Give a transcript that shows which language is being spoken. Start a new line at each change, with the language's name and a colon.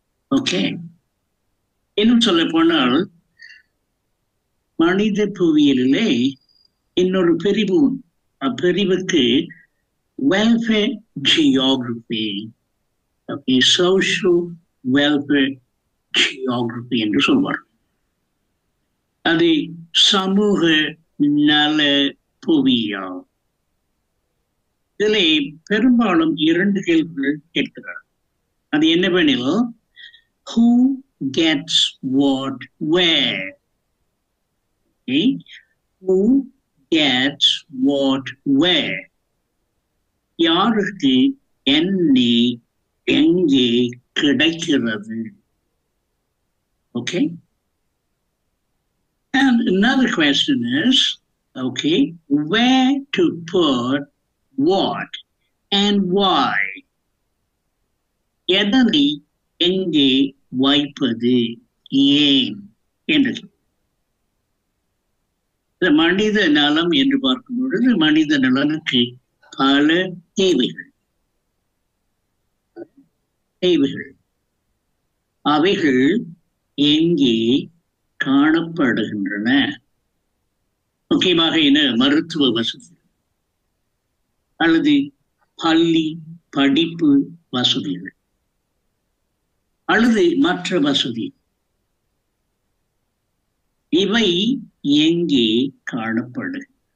Tamil: Okay, இன்னும் சொல்ல போனால் மனித புவியலிலே இன்னொரு பிரிவு, அப்பிரிவுக்கு welfare geography, okay, social welfare geography என்று சொல்வார். அது சமூக நல புவியியல். இதிலே பெரும்பாலும் இரண்டு கேள்விகள் கேட்கிறார். அது என்னவெனில்
English: who gets what where, okay, who gets what where,
Tamil: யாருக்கு என்ன எங்கே கிடைக்கிறது.
English: Okay, and another question is, okay, where to put what and why,
Tamil: எதனை எங்கே வைப்பது, ஏன் என்று. மனித நலம் என்று பார்க்கும் பொழுது மனித நலனுக்கு பல தேவைகள், அவைகள் எங்கே காணப்படுகின்றன, முக்கியமாக என்ன மருத்துவ வசதி அல்லது பள்ளி படிப்பு வசதிகள் அல்லது மற்ற வசதி, இவை எங்கே காணப்படும்.